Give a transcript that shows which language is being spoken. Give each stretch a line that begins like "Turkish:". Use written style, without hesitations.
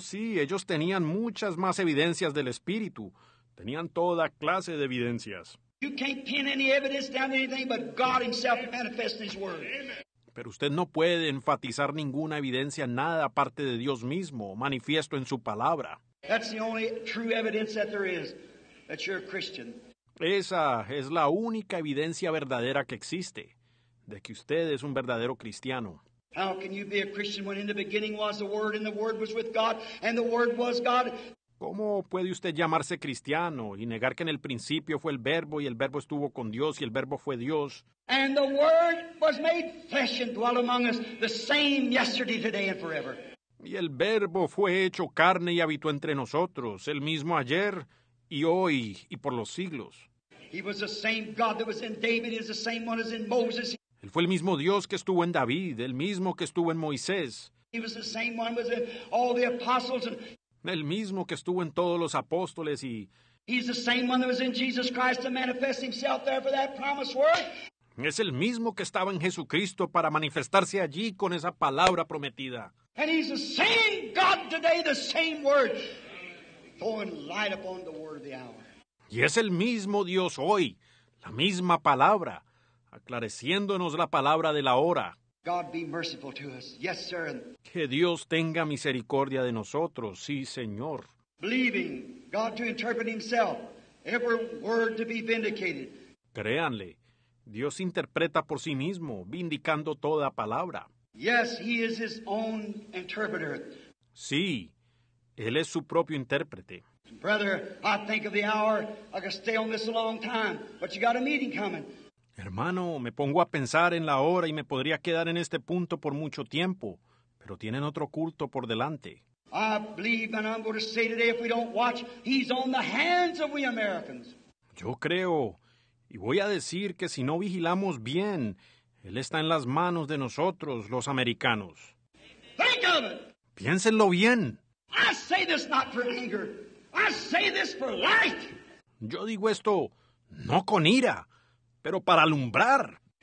Spanish: sí, ellos tenían muchas más evidencias del Espíritu. Tenían toda clase de evidencias.
English: You can't pin any evidence down to anything but God himself manifesting his word.
Spanish: Pero usted no puede enfatizar ninguna evidencia en nada aparte de Dios mismo, manifiesto en su palabra.
English: That's the only true evidence that there is, that you're a Christian.
Spanish: Esa es la única evidencia verdadera que existe, de que usted es un verdadero cristiano.
English: How can you be a Christian when in the beginning was the Word, and the Word was with God, and the Word was God?
Spanish: ¿Cómo puede usted llamarse cristiano y negar que en el principio fue el verbo estuvo con Dios y el verbo fue Dios?
English: And the word was made flesh and dwelt among us, the same yesterday, today, and forever.
Spanish: Y el verbo fue hecho carne y habitó entre nosotros, el mismo ayer y hoy y por los siglos.
English: He was the same God that was in David, is the same one as in Moses.
Spanish: Él fue el mismo Dios que estuvo en David, el mismo que estuvo en Moisés.
English: He was the same one was in all the apostles and.
Spanish: El mismo que estuvo en todos los apóstoles y.
English: He's the same one that was in Jesus Christ to manifest himself there for that promised word.
Spanish: Es el mismo que estaba en Jesucristo para manifestarse allí con esa palabra prometida.
English: And he's the same God today, the same word, throwing light upon the word of the hour.
Spanish: Y es el mismo Dios hoy, la misma palabra, aclareciéndonos la palabra de la hora.
English: God be merciful to us. Yes, sir.
Spanish: Que Dios tenga misericordia de nosotros. Sí, Señor.
English: Believing God to interpret himself, every word to be vindicated.
Spanish: Créanle. Dios interpreta por sí mismo, vindicando toda palabra.
English: Yes, he is his own interpreter.
Spanish: Sí, él es su propio intérprete.
English: Brother, I think of the hour. I could stay on this a long time, but you got a meeting coming.
Spanish: Hermano, me pongo a pensar en la hora y me podría quedar en este punto por mucho tiempo, pero tienen otro culto por delante.
English: I believe, and I'm going to say today, if we don't watch, he's on the hands of we Americans.
Spanish: Yo creo. Y voy a decir que si no vigilamos bien, él está en las manos de nosotros, los americanos.
English: Think of it.
Spanish: Piénsenlo bien.
English: I say this not for anger. I say this for light.
Spanish: Yo digo esto no con ira, pero para alumbrar.